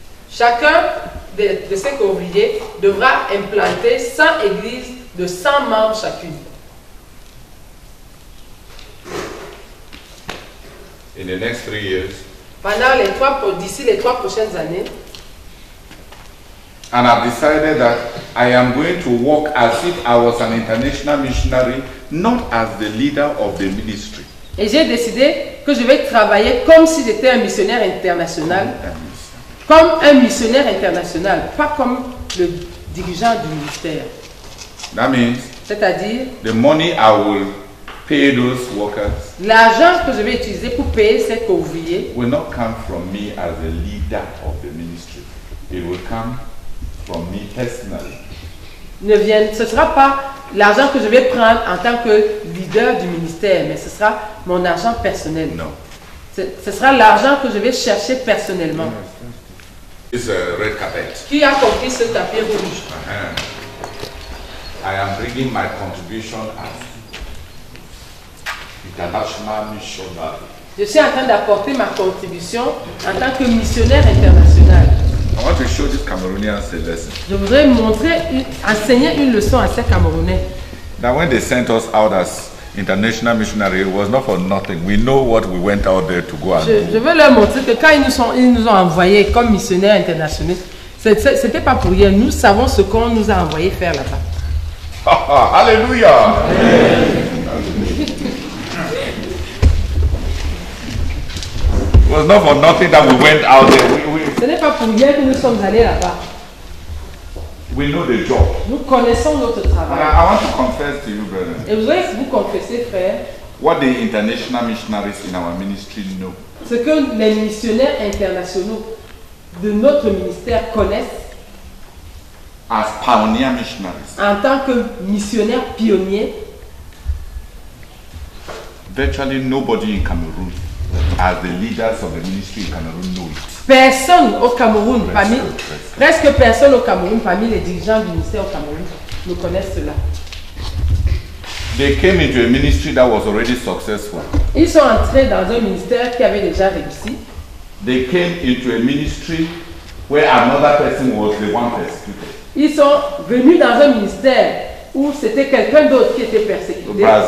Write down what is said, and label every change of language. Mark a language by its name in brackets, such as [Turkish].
[French] Chacun de ces ouvriers devra implanter 100 églises de 100 membres chacune. [English] In the next 3 years, [French] pendant les trois, d'ici les trois prochaines années, [English] and I've decided that I am going to work as if I was an international missionary, not as the leader of the ministry. [French] Et j'ai décidé que je vais travailler comme si j'étais un missionnaire international, comme un missionnaire international, pas comme le dirigeant du ministère. [English] That means, [French] c'est-à-dire, [English] the money I will pay those workers, [French] l'argent que je vais utiliser pour payer ces ouvriers, [English] will not come from me as the leader of the ministry. It will come from me personally. [French] Ce sera pas l'argent que je vais prendre en tant que leader du ministère, mais ce sera mon argent personnel. Non. Ce sera l'argent que je vais chercher personnellement. [English] It's a red carpet. [French] Qui a compris ce tapis rouge? [English] I am bringing my contribution as international missionary. [French] Je suis en train d'apporter ma contribution en tant que missionnaire international. [English] I want to show this Cameroonian a lesson. [French] Je voudrais montrer, enseigner une leçon à ces Camerounais. [English] That when they sent us out as international missionaries, it was not for nothing. We know what we went out there to go and do. [French] Je veux leur montrer que quand ils nous ont envoyés comme missionnaires internationaux, c'était pas pour rien. Nous savons ce qu'on nous a envoyé faire là-bas. Alléluia. [English] It was not for nothing that we went out there. [French] Ce n'est pas pour rien que nous sommes allés là-bas. [English] We know the job. [French] Nous connaissons notre travail. [English] And I want to confess to you, brother. [French] Et vous voulez vous confesser, frère? [English] What the international missionaries in our ministry know? [French] Ce que les missionnaires internationaux de notre ministère connaissent. [English] As pioneer missionaries. [French] En tant que missionnaires pionniers. [English] Virtually nobody in Cameroon, as the leaders of the ministry in Cameroon, know it. [French] Personne au Cameroun, presque personne au Cameroun, parmi les dirigeants du ministère au Cameroun, ne connaissent cela. [English] They came into a ministry that was already successful. [French] Ils sont entrés dans un ministère qui avait déjà réussi. [English] They came into a ministry where another person was the one persecuted. [French] Ils sont venus dans un ministère où c'était quelqu'un d'autre qui était persécuté.